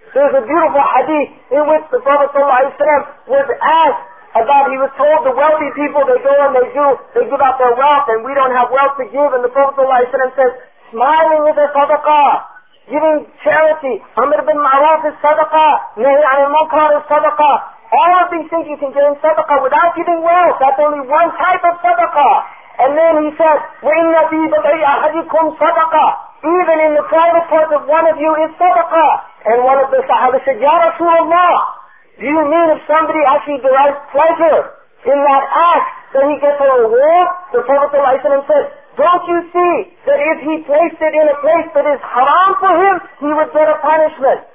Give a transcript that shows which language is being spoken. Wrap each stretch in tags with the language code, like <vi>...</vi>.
<en>There's a beautiful hadith in which the Prophet ﷺ was asked about, he was told the wealthy people, they go and they give out their wealth, and we don't have wealth to give. And the Prophet ﷺ says, smiling with a sadaqah, giving charity, Amr bin Ma'ruf is sadaqah, Nahi an al-Munkar is sadaqah. All of these things you can get in sadaqah without giving wealth. That's only one type of sadaqah. And then he said,</en> <ar>وَإِنَّ فِي بَضَيْ أَحَدِكُمْ صَدَقَةً.</ar> <en>Even in the private parts of one of you is صَدَقَةً. And one of the Sahaba said, Ya Rasulullah, do you mean if somebody actually derives pleasure in that act, then he gets a reward? The Prophet ﷺ said, don't you see that if he placed it in a place that is haram for him, he would get a punishment?</en>